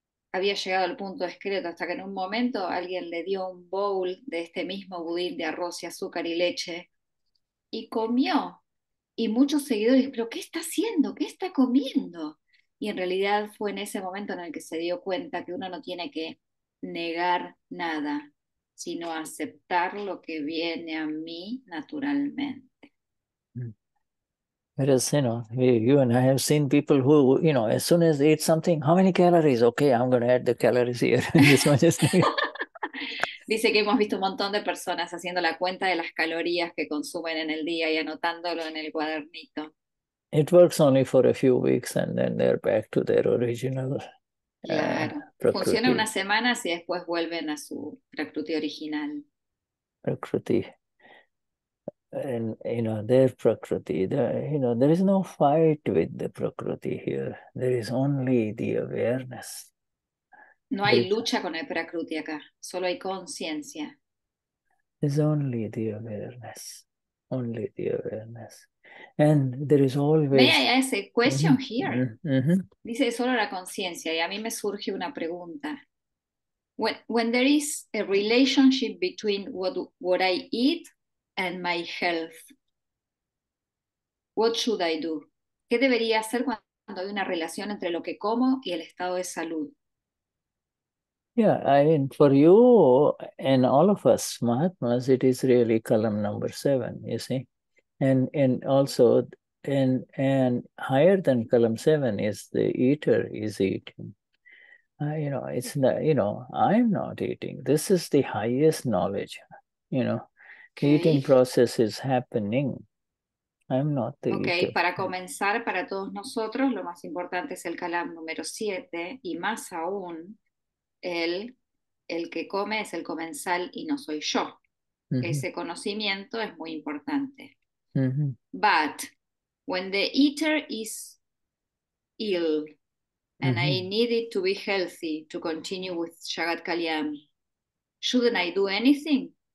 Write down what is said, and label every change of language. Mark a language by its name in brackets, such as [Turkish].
[Spanish] Había llegado al punto discreto hasta que en un momento alguien le dio un bowl de este mismo budín de arroz y azúcar y leche y comió. Y muchos seguidores, ¿pero qué está haciendo? ¿Qué está comiendo? Y en realidad fue en ese momento en el que se dio cuenta que uno no tiene que negar nada, sino aceptar lo que viene a mí naturalmente. Pero sí, [English] you know, you and I have seen people who, you know, as soon as they eat something, how many calories? Okay, I'm going to add the calories here. [Spanish] Dice que hemos visto un montón de personas haciendo la cuenta de las calorías que consumen en el día y anotándolo en el cuadernito. [English] It works only for a few weeks and then they're back to their original [Spanish] Claro. Funciona unas semanas y después vuelven a su prakruti original. Prakruti. [English] And, you know, their prakruti, you know, there is no fight with the prakruti here. There is only the awareness. No hay lucha con el prakruti acá, solo hay conciencia. There is only the awareness. Only the awareness. And there is always... May I ask a question here? [Spanish] Dice solo la conciencia, y a mí me surge una pregunta. [English] When there is a relationship between what I eat and my health, what should I do? [Spanish] ¿Qué debería hacer cuando hay una relación entre lo que como y el estado de salud? [English] Yeah, I mean, for you and all of us, Mahatmas, it is really column number 7, you see. And also, and higher than column 7 is the eater is eating. You know, it's not, you know, I'm not eating. This is the highest knowledge, you know. Okay. Eating process is happening. I'm not the okay, eater. [Spanish] Okay, para comenzar, para todos nosotros, lo más importante es el column número 7, y más aún, el que come es el comensal y no soy yo. Ese conocimiento es muy importante. [English] But when the eater is ill and I need it to be healthy to continue with Shagat Kalyan, shouldn't I do anything?